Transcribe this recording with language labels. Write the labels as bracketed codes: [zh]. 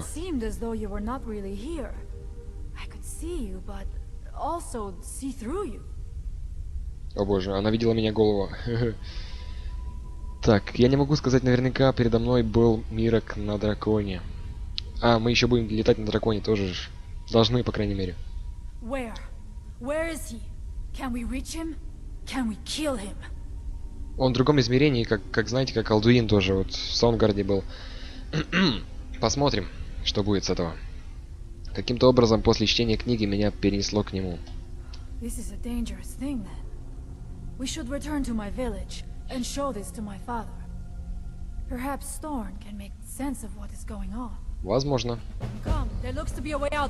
[en] Seemed as though you were not really here. I could see you, but also see through you. [ru] О боже, она видела меня голову. Так, я не могу сказать наверняка, передо мной был Мирок на драконе. А, мы еще будем летать на драконе тоже. Должны, по крайней мере. [en] Where? Where is he? Can we reach him? Can we kill him? [ru] Он в другом измерении, как знаете, как Алдуин тоже, вот в Саундгарде был. Посмотрим, что будет с этого. Каким-то образом после чтения книги меня перенесло к нему. [en] This is a dangerous thing, then. We should return to my village and show this to my father. Perhaps Storn can make sense of what is going on. [ru] Возможно. [en] Come, there looks to be a way out.